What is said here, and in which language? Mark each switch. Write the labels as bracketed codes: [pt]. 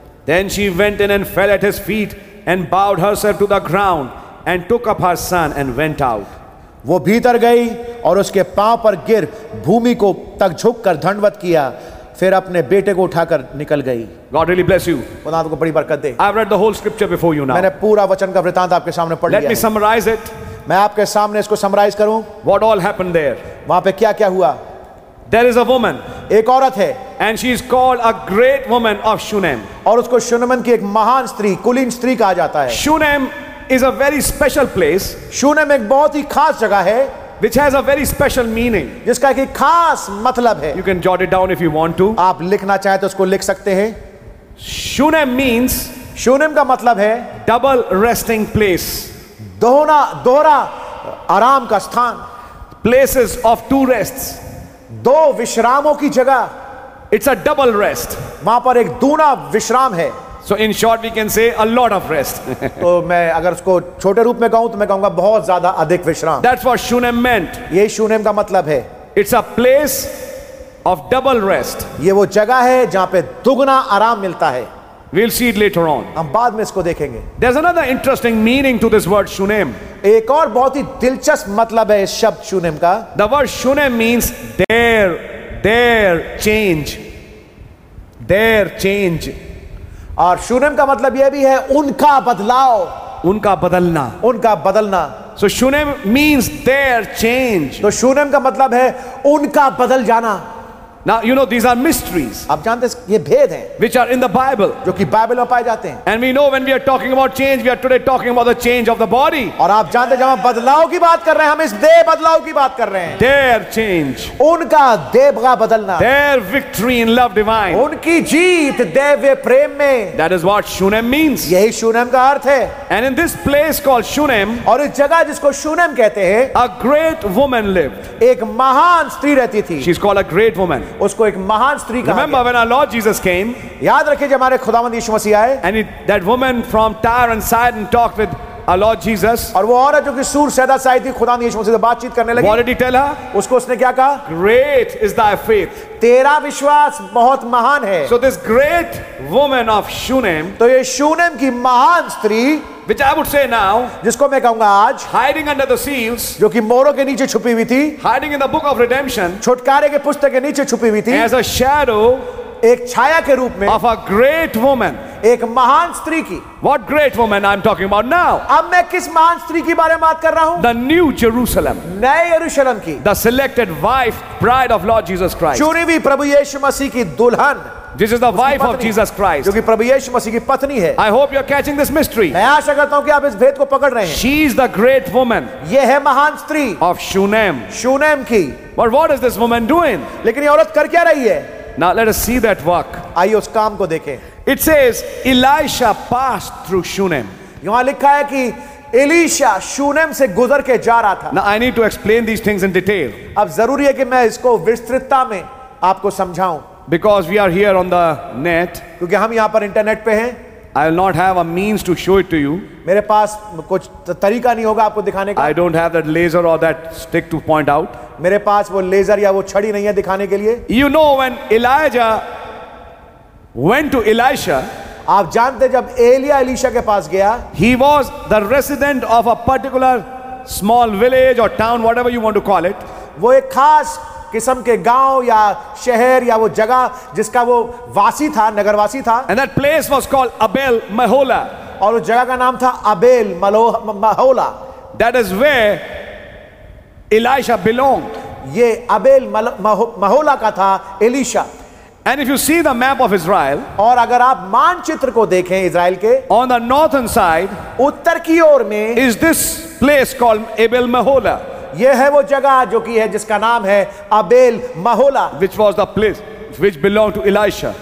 [en] Then she went in and fell at his feet and bowed herself to the ground and took up her son and went out. [hi] वो भीतर गई और उसके पांव पर गिर भूमि को तक झुक कर दंडवत किया, फिर अपने बेटे को उठाकर निकल गई। [en] God really bless you. [hi] खुदा आपको बड़ी बरकत दे। [en] I've read the whole scripture before you now. [hi] मैंने पूरा वचन का वृतांत आपके सामने पढ़ लिया। [en] Let me summarize it. [hi] मैं आपके सामने इसको समराइज करूं। [en] What all happened there? [hi] वहां पे क्या क्या हुआ? [en] There is a woman. [hi] एक औरत है। [en] And she is called a great woman of Shunem. [hi] और उसको शूनेम की एक महान स्त्री, कुलीन स्त्री कहा जाता है। [en] Shunem is a very special place. [hi] Shunem एक बहुत ही खास जगह है। [en] Which has a very special meaning. [hi] जिसका एक खास मतलब है। [en] You can jot it down if you want to. [hi] आप लिखना चाहे तो उसको लिख सकते हैं। [en] Shunem means. [hi] शूनेम का मतलब है। [en] Double resting place. [hi] दोहरा दोहरा आराम का स्थान। [en] Places of two rests. [hi] दो विश्रामों की जगह। [en] It's a double rest. [hi] वहां पर एक दूना विश्राम है। [en] So in short, we can say a lot of rest. [hi] तो मैं अगर उसको छोटे रूप में कहूं तो मैं कहूंगा बहुत ज्यादा अधिक विश्राम। [en] That's what Shunem meant. [hi] ये Shunem का मतलब है। [en] It's a place of double rest. [hi] ये वो जगह है जहां पे दुगना आराम मिलता है। [en] We'll see it later on. [hi] हम बाद में इसको देखेंगे। [en] There's another interesting meaning to this word Shunem. [hi] एक और बहुत ही दिलचस्प मतलब है इस शब्द Shunem का। [en] The word Shunem means their change. [hi] और शूनेम का मतलब यह भी है उनका बदलाव, उनका बदलना। [en] So Shunem means their change. [hi] तो शूनेम का मतलब है उनका बदल जाना। [en] Now you know these are mysteries. [hi] आप जानते हैं ये भेद हैं, [en] which are in the Bible. [hi] जो कि बाइबल में पाए जाते हैं। [en] And we know when we are talking about change, we are today talking about the change of the body. [hi] और आप जानते हैं जब हम बदलाव की बात कर रहे हैं, हम इस देह बदलाव की बात कर रहे हैं। [en] Their change. [hi] उनका देह का बदलना। [en] Their victory in love divine. [hi] उनकी जीत दैवीय प्रेम में। [en] That is what Shunem means. [hi] यही Shunem का अर्थ है। [en] And in this place called Shunem. [hi] और इस जगह जिसको Shunem कहते हैं। [en] A great woman lived. [hi] एक महान स्त्री रहती थी। [en] She is called a great woman. [hi] उसको एक महान स्त्री कहा। [en] Remember when our Lord Jesus came, [hi] याद रखिए जब हमारे खुदावंद यीशु मसीह आए, [en] and that woman from Tyre and Sidon talked with our Lord Jesus, [hi] और वो औरत जो कि सूर सैदा से आई थी खुदावंद यीशु मसीह से बातचीत करने लगी, [en] what did he tell her? [hi] उसको उसने क्या कहा? [en] Great is thy faith. [hi] तेरा विश्वास बहुत महान है। [en] So this great woman of Shunem, [hi] तो ये Shunem की महान स्त्री, [en] which I would say now, [hi] जिसको मैं कहूंगा आज, [en] hiding under the seals, [hi] जो कि मोरों के नीचे छुपी हुई थी, [en] hiding in the book of redemption, [hi] छुटकारे के पुस्तक के नीचे छुपी हुई थी, [en] as a shadow, [hi] एक छाया के रूप में, [en] of a great woman, [hi] एक महान स्त्री की, [en] what great woman I'm talking about now, [hi] अब मैं किस महान स्त्री की बारे में बात कर रहा हूँ, [en] the new Jerusalem, [hi] नए यरूशलम की, [en] the selected wife, bride of Lord Jesus Christ, [hi] चुनी हुई प्रभु यीशु मसीह की दुल्हन, [en] This is the wife of Jesus Christ. [hi] जो कि प्रभु यीशु मसीह की पत्नी है। [en] I hope you're catching this mystery. [hi] मैं आशा करता हूँ कि आप इस भेद को पकड़ रहे हैं। [en] She is the great woman. [hi] ये है महान स्त्री। [en] Of Shunem. [hi] Shunem की। [en] But what is this woman doing? [hi] लेकिन ये औरत कर क्या रही है? [en] Now let us see that work. [hi] आइए उस काम को देखें। [en] It says, Elisha passed through Shunem. [hi] यहाँ लिखा है कि Elisha Shunem se guzar ke ja raha tha. [en] Now I need to explain these things in detail. [hi] Ab zaruri hai ki main isko vistritta mein aapko samjhaun. [en] Because we are here on the net. [hi] Kyunki hum yahan par internet pe hain. [en] I will not have a means to show it to you. [hi] Mere paas kuch tarika nahi hoga aapko dikhane ka. [en] I don't have that laser or that stick to point out. [hi] Mere paas wo laser ya wo chhadi nahi hai dikhane ke liye. [en] You know when Elijah went to Elisha. [hi] आप जानते जब Elia Elisha के पास गया, [en] he was the resident of a particular small village or town, whatever you want to call it. [hi] वो एक खास किस्म के गांव या शहर या वो जगह जिसका वो वासी था, नगरवासी था. [en] And that place was called Abel Mehola. [hi] और उस जगह का नाम था अबेल महोला. [en] That is where Elisha belonged. [hi] ये अबेल महोला का था Elisha. [en] And if you see the map of Israel, [hi] और अगर आप मानचित्र को देखें इज़राइल के, [en] on the northern side, [hi] उत्तर की ओर में, [en] is this place called Abel Mehola? [hi] यह है वो जगह जो कि है जिसका नाम है अबेल महोला, [en] which was the place which belonged to Elisha,